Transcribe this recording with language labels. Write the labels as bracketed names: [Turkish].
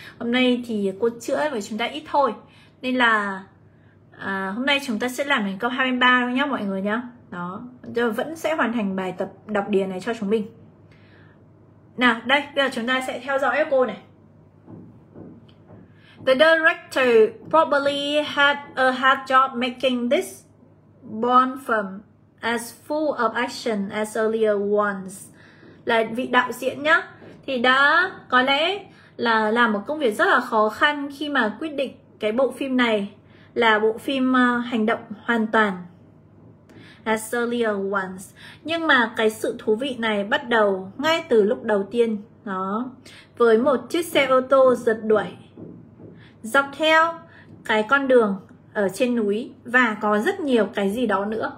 [Vietnamese] Hôm nay thì cô chữa với chúng ta ít thôi. Nên là hôm nay chúng ta sẽ làm đến câu 23 nhá mọi người nhá. Đó, rồi vẫn sẽ hoàn thành bài tập đọc điền này cho chúng mình. Nào, đây, bây giờ chúng ta sẽ theo dõi cô này. [English] The director probably had a hard job making this Bond film as full of action as earlier ones. [Vietnamese] Là vị đạo diễn nhá, thì đã có lẽ là làm một công việc rất là khó khăn khi mà quyết định cái bộ phim này là bộ phim hành động hoàn toàn. [English] As earlier ones. [Vietnamese] Nhưng mà cái sự thú vị này bắt đầu ngay từ lúc đầu tiên đó, với một chiếc xe ô tô giật đuổi dọc theo cái con đường ở trên núi, và có rất nhiều cái gì đó nữa.